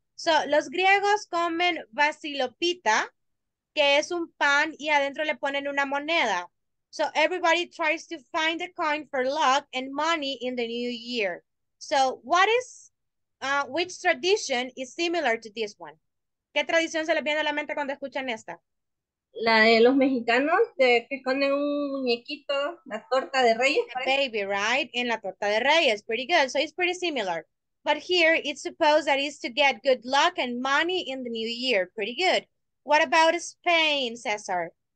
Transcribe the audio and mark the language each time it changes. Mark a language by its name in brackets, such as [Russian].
[Spanish] So, los griegos comen basilopita, que es un pan, y adentro le ponen una moneda. [English] So, everybody tries to find the coin for luck and money in the new year. So, what is, which tradition is similar to this one? [Spanish] ¿Qué tradición se les viene a la mente cuando escuchan esta? La de los mexicanos, de que ponen un muñequito, la torta de reyes. [English] A baby, right? [Spanish] En la torta de reyes. [English] Pretty good. So, it's pretty similar. But here, it's supposed that it's to get good luck and money in the new year. Pretty good. What about Spain, Cesar?